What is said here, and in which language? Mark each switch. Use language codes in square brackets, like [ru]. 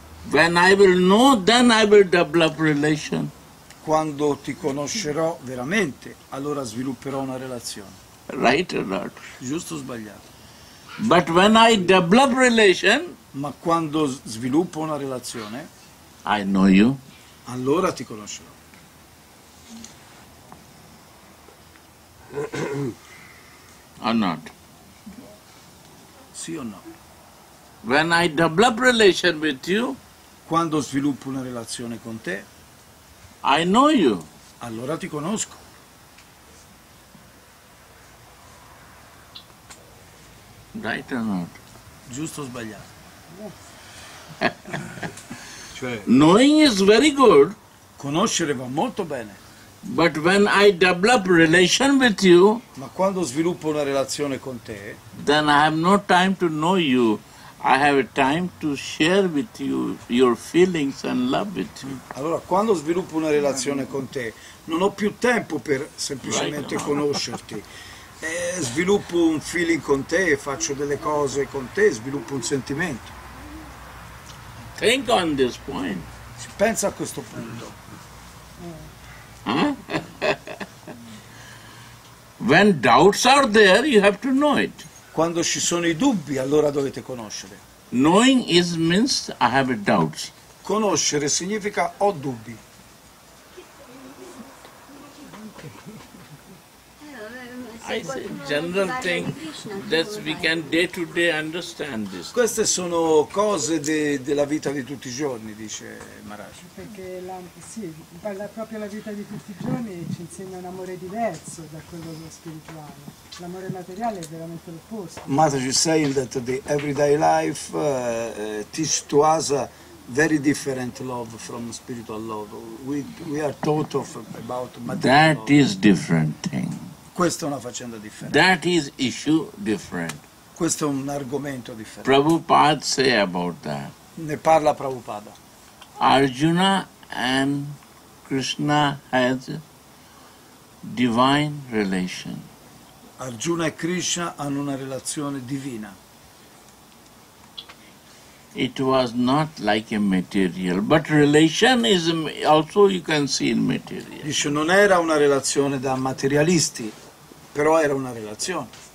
[en] When I will know, then I will develop relation. [it] Quando ti conoscerò veramente, allora svilupperò una relazione. [en] Right or not? [it] Giusto o sbagliato? [en] But when I develop relation, [it] ma quando sviluppo una relazione, [en] I know you. [it] Allora ti conoscerò. [en] Or not? [it] Sì o no? [en] When I develop relation with you, [it] quando sviluppo una relazione con te, [en] I know you. [it] Allora ti conosco. [en] Right or not? [it] Giusto o sbagliato? [en] Cioè, knowing is very good. [it] Conoscere va molto bene. [en] But when I develop relation with you, [it] ma quando sviluppo una relazione con te, [en] then I have no time to know you. I have a time to share with you your feelings and love with you. [it] Allora, quando sviluppo una relazione con te, non ho più tempo per semplicemente right, conoscerti. Sviluppo un feeling con te, faccio delle cose con te, sviluppo un sentimento. [en] Think on this point. [it] Si pensa a questo punto. [en] When doubts are there, you have to know it. [it] Quando ci sono i dubbi, allora dovete conoscere. [en] Knowing is means I have doubts. [it] Conoscere significa ho dubbi. [en] I say general thing that we can day to day understand this. [it] Queste sono cose della vita di tutti i giorni, dice Maharaj. Perché proprio la vita di tutti i giorni ci insegna un amore diverso da quello spirituale. L'amore materiale è veramente l'opposto. [en] Mataji is saying that the everyday life teach to us a very different love from spiritual love. We are taught of about material. That is different thing. [it] Questa è una faccenda differente. [en] That is issue different. [it] Questo è un argomento differente. [en] Prabhupada say about that. [it] Ne parla Prabhupada. [en] Arjuna and Krishna has divine relation. [it] Arjuna e Krishna hanno una relazione divina. [en] it was not like a material, but relation is also you can see in material. [it] Dice, non era una relazione da materialisti, però era una relazione.